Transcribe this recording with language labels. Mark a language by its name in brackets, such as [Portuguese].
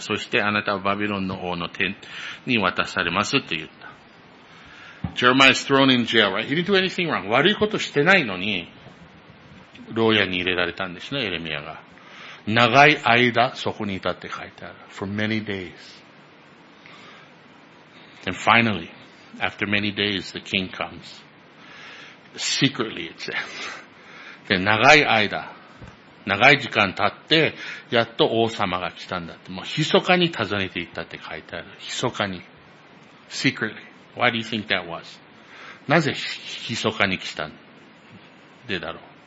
[Japanese] そしてあなたはバビロンの王の手に渡されますと言った。 [English] Jeremiah is thrown in jail, right? He didn't do anything wrong. [Japanese] 悪いことしてないのに、牢屋に入れられたんですね、エレミアが。長い間、そこにいたって書いてある。 [English] For many days. And finally, after many days, the king comes. Secretly, it says. [Japanese] で、長い間、長い時間経って、やっと王様が来たんだって。もう、密かに訪ねていったって書いてある。密かに。 [English] Secretly. Why do you think that was? [Japanese] なぜ、密かに来たんでだろう。